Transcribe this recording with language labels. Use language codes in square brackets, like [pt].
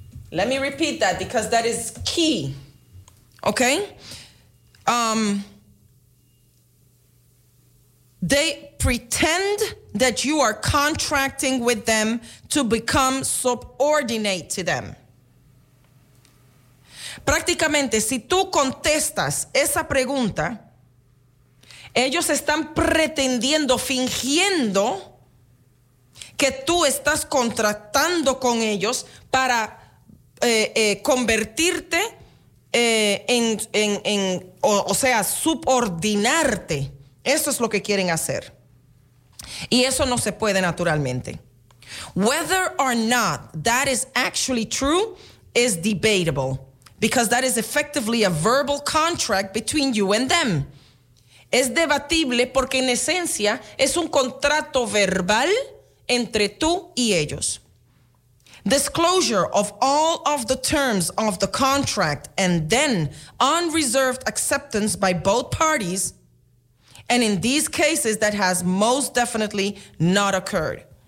[en] Let me repeat that because that is key. Okay? They pretend that you are contracting with them to become subordinate to them. [es] Prácticamente, si tú contestas esa pregunta, ellos están pretendiendo, fingiendo que tú estás contratando con ellos para convertirte en subordinarte. Eso es lo que quieren hacer. Y eso no se puede naturalmente. [en] Whether or not that is actually true is debatable, because that is effectively a verbal contract between you and them. [es] Es debatible porque en esencia es un contrato verbal entre tú y ellos. [en] Disclosure of all of the terms of the contract and then unreserved acceptance by both parties, and in these cases that has most definitely not occurred.